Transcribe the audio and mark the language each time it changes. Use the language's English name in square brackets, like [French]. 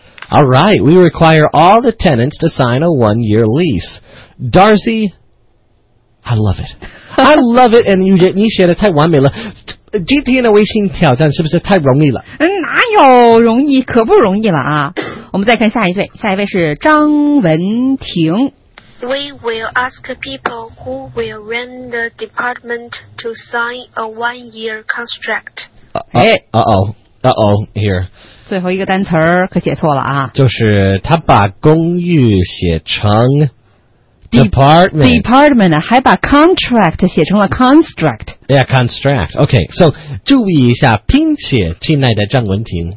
[English] All right, we require all the tenants to sign a one-year lease. Darcy, I love it. I love it, and you [Chinese] 写得太完美了。今天的微信挑战是不是太容易了？哪有容易，可不容易了啊。我们再看下一位，下一位是张文婷。 [English] We will ask people who will rent the department to sign a one-year contract. Uh-oh, here. [Chinese] 最后一个单词儿可写错了啊。就是他把公寓写成 department。 department, 还把 contract 写成了 construct。 [English] Yeah, construct. Okay, so, [Chinese] 注意一下拼写亲爱的张文婷。